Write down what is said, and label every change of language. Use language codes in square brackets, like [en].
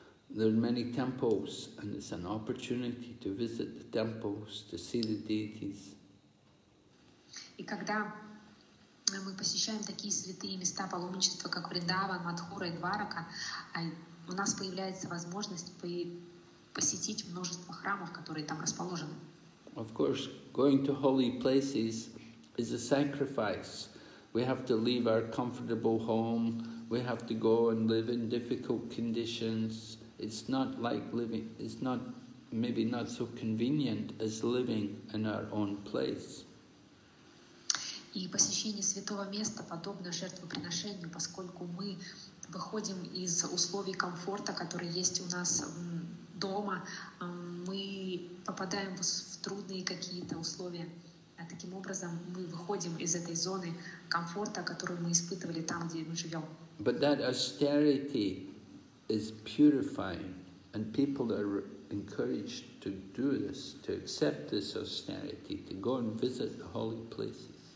[en] There are many temples, and it's an opportunity to visit the temples, to see the deities. [ru] И когда мы посещаем такие святые места паломничества, как Вриндаван, Матхура и Дварака, у нас появляется возможность посетить множество храмов, которые там расположены. [en] Of course, going to holy places is a sacrifice. We have to leave our comfortable home, we have to go and live in difficult conditions. It's not like living, it's not, maybe not so convenient as living in our own place. [ru] И посещение святого места подобно жертвоприношению, поскольку мы выходим из условий комфорта, которые есть у нас дома, мы попадаем в трудные какие-то условия. А таким образом мы выходим из этой зоны комфорта, которую мы испытывали там, где мы живем. [en] But that austerity is purifying, and people are encouraged to do this, to accept this austerity, to go and visit the holy places.